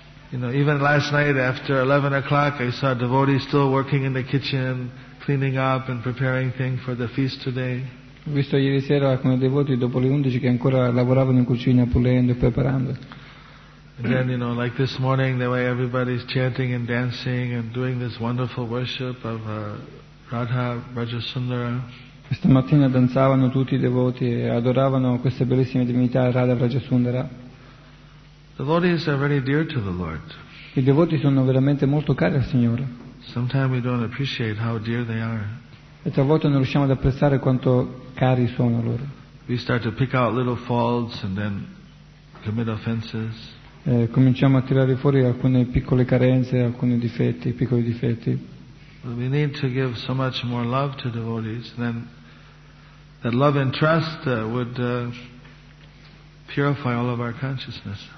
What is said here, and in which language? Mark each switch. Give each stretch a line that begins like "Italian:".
English: You know, even last night after 11 o'clock I saw devotees still working in the kitchen, cleaning up and preparing things for the feast today.
Italian: Ho visto ieri sera alcuni devoti dopo le 11 che ancora lavoravano in cucina pulendo e preparando.
English: And then, you know, like this morning, the way everybody's chanting and dancing and doing this wonderful worship of Radha, Raja Sundara.
Italian: Questa mattina danzavano tutti i devoti e adoravano queste bellissime divinità, Radha, Raja Sundara.
English: Devotees are very dear to the Lord.
Italian: I devoti sono veramente molto cari al Signore.
English: Sometimes we don't appreciate how dear they are.
Italian: E talvolta non riusciamo ad apprezzare quanto cari sono loro.
English: We start to pick out little faults and then commit offenses.
Italian: Cominciamo a tirare fuori alcune piccole carenze, alcuni difetti, piccoli difetti.
English: We need to give so much more love to devotees, then that love and trust would purify all of our consciousness.